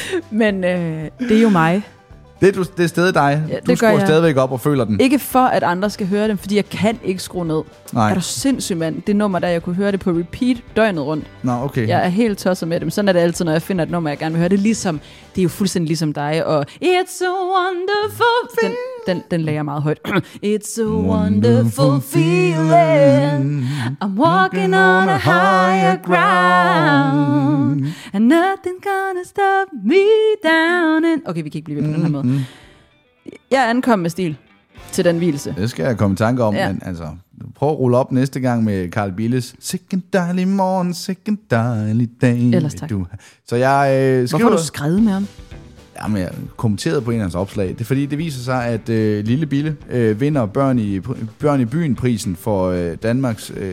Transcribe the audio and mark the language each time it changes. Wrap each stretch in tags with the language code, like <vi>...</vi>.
<da>Men det er jo mig. Det er stadig dig. Ja, du skruer stadigvæk op og føler den. Ikke for, at andre skal høre den, fordi jeg kan ikke skrue ned. Nej. Er du sindssyg, mand? Det nummer, der jeg kunne høre det på repeat døgnet rundt. Nå, okay. Jeg er helt tosset med dem. Sådan er det altid, når jeg finder et nummer, jeg gerne vil høre. Det er, ligesom, det er jo fuldstændig ligesom dig. Og</da> <en>it's a wonderful feeling.</en> <da>Den lagde jeg meget højt.</da> <en>It's a wonderful feeling. I'm walking on a higher ground. And nothing's gonna stop me down.</en> <da>Okay, vi kan ikke blive ved på den her måde. Jeg ankom med stil til den hvilelse. Det skal jeg komme i tanke om, men altså... Prøv at rulle op næste gang med Carl Billes. Sikke en dejlig morgen, sikke en dejlig dag. Ellers tak. Så jeg skriver... Hvorfor har du skrevet med ham? Jamen, jeg kommenterede på en af hans opslag. Det er fordi, det viser sig, at Lille Bille vinder børn i byen-prisen for Danmarks...</da>